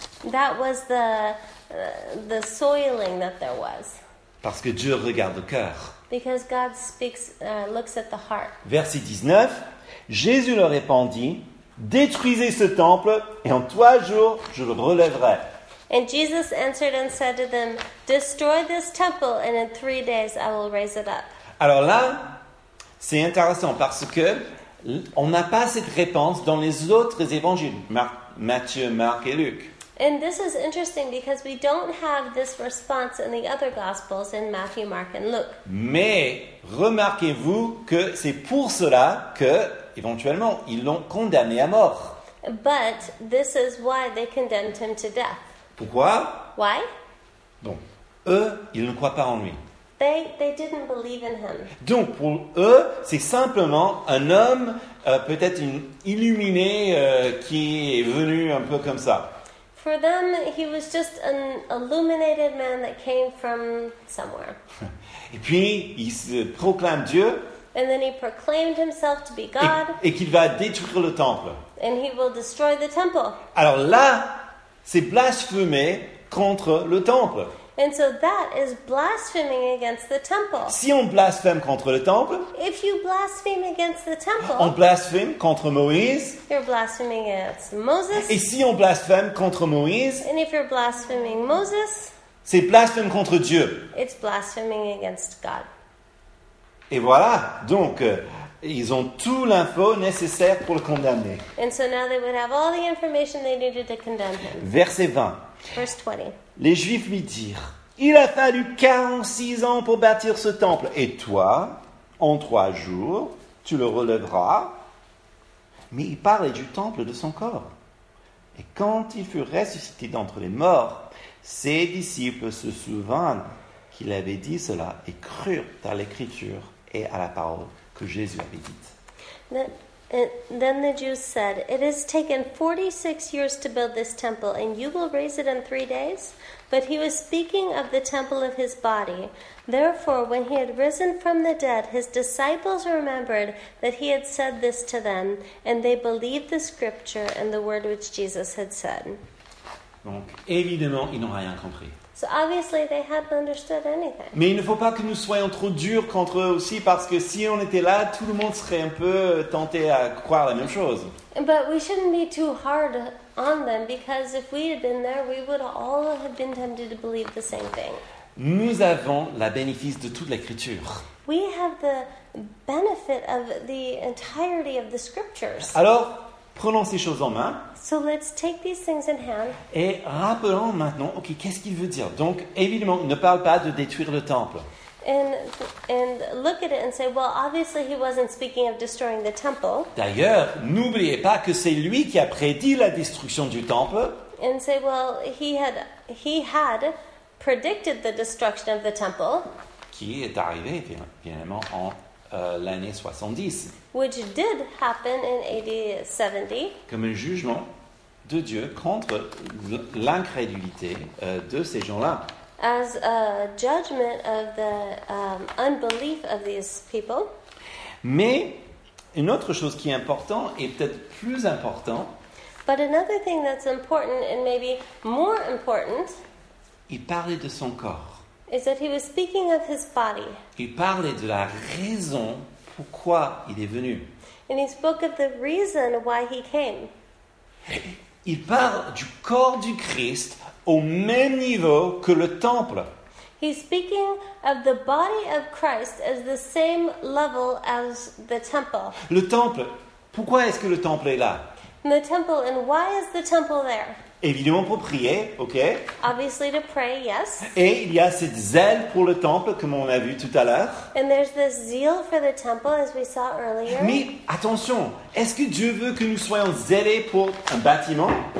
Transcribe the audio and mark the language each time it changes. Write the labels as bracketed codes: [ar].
[en] That was the soiling that there was. [fr] Parce que Dieu regarde le cœur. [en] Because God speaks, looks at the heart. [fr] Verset 19, Jésus leur répondit, détruisez ce temple et en 3 jours je le relèverai. [en] And Jesus answered and said to them, destroy this temple and in 3 days I will raise it up. [fr] Alors là, c'est intéressant parce que on n'a pas cette réponse dans les autres évangiles, Matthieu, Marc et Luc. [en] And this is interesting because we don't have this response in the other gospels in Matthew, Mark and Luke. [fr] Mais remarquez-vous que c'est pour cela que éventuellement ils l'ont condamné à mort. [en] But this is why they condemned him to death. [fr] Pourquoi? [en] Why? [fr] Bon, eux, ils ne croient pas en lui. [en] They didn't believe in him. [fr] Donc pour eux, c'est simplement un homme peut-être un illuminé qui est venu un peu comme ça. [en] For them, he was just an illuminated man that came from somewhere. [fr] Et puis, il se proclame Dieu. [en] And then he proclaimed himself to be God. [fr] Et qu'il va détruire le temple. [en] And he will destroy the temple. [fr] Alors là, c'est blasphémer contre le temple. [en] And so that is blaspheming against the temple. [fr] Si on blaspheme contre le temple, [en] if you blaspheme against the temple, [fr] on blaspheme contre Moïse. [en] You're blaspheming against Moses. [fr] Et si on blaspheme contre Moïse, [en] and if you're blaspheming Moses, [fr] c'est blasphème contre Dieu. [en] It's blaspheming against God. [fr] Et voilà, donc ils ont tout l'info nécessaire pour le condamner. [en] And so now they would have all the information they needed to condemn him. [fr] Verset 20. [en] Verse 20. [fr] Les Juifs lui dirent, il a fallu 46 ans pour bâtir ce temple, et toi, en 3 jours, tu le relèveras. Mais il parlait du temple de son corps. Et quand il fut ressuscité d'entre les morts, ses disciples se souvinrent qu'il avait dit cela et crurent à l'écriture et à la parole que Jésus avait dite. [en] Then the Jews said, it has taken 46 years to build this temple, and you will raise it in 3 days? But he was speaking of the temple of his body. Therefore, when he had risen from the dead, his disciples remembered that he had said this to them, and they believed the scripture and the word which Jesus had said. [fr] Donc, évidemment, ils n'ont rien compris. [en] So obviously, they hadn't understood anything. [fr] Mais il ne faut pas que nous soyons trop durs contre eux aussi, parce que si on était là, tout le monde serait un peu tenté à croire la même chose. [en] But we shouldn't be too hard on them, because if we had been there, we would all have been tempted to believe the same thing. [fr] Nous avons la bénéfice de toute l'écriture. [en] We have the benefit of the entirety of the scriptures. [fr] Alors, prenons ces choses en main. [en] So let's take these things in hand. [fr] Et rappelons maintenant, ok, qu'est-ce qu'il veut dire? Donc, évidemment, il ne parle pas de détruire le temple. [en] And look at it and say, well, obviously he wasn't speaking of destroying the temple. [fr] D'ailleurs, n'oubliez pas que c'est lui qui a prédit la destruction du temple. [en] And say, well, he had predicted the destruction of the temple. [fr] Qui est arrivé finalement en l'année 70. [en] Which did happen in AD 70. [fr] Comme un jugement de Dieu contre l'incrédulité de ces gens-là. [en] As a judgment of the unbelief of these people. [fr] Mais une autre chose qui est importante et peut-être plus importante. [en] But another thing that's important and maybe more important. [fr] Il parlait de son corps. [en] Is that he was speaking of his body. [fr] Il parlait de la raison pourquoi il est venu. [en] And he spoke of the reason why he came. [fr] Il parle du corps du Christ au même niveau que le temple. [en] He's speaking of the body of Christ as the same level as the temple. [fr] Le temple, pourquoi est-ce que le temple est là? [en] The temple, and why is the temple there? [fr] Évidemment pour prier, ok? [en] Obviously to pray, yes. [fr] Et il y a cette zèle pour le temple, comme on a vu tout à l'heure. [en] And there's this zeal for the temple, as we saw earlier. [fr] Mais attention, est-ce que Dieu veut que nous soyons zélés pour un bâtiment?